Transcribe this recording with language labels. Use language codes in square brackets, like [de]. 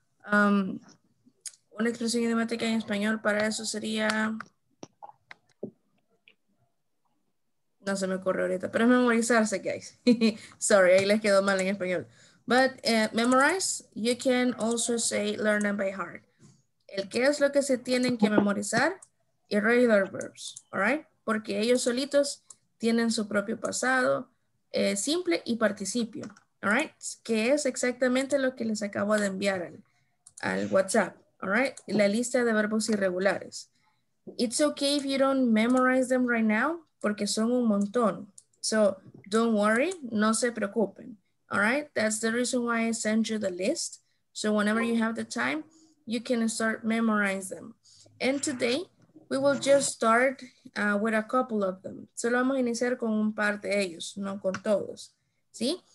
[es] Una expresión idiomática en español para eso sería... No se me ocurre ahorita, pero es memorizarse, guys. Sorry, ahí les quedó mal en español. [en] But memorize, you can also say learn them by heart. [es] El qué es lo que se tienen que memorizar, [en] irregular verbs, all right? [es] Porque ellos solitos tienen su propio pasado, simple y participio, [en] all right? [es] Que es exactamente lo que les acabo de enviar al WhatsApp, [en] all right? [es] La lista de verbos irregulares. [en] It's okay if you don't memorize them right now, [es] porque son un montón. [en] So don't worry, [es] no se preocupen, [en] all right? That's the reason why I sent you the list. So whenever you have the time, you can start memorize them. And today, we will just start with a couple of them. [es] Solo vamos a iniciar con un par de ellos, no con todos, ¿sí?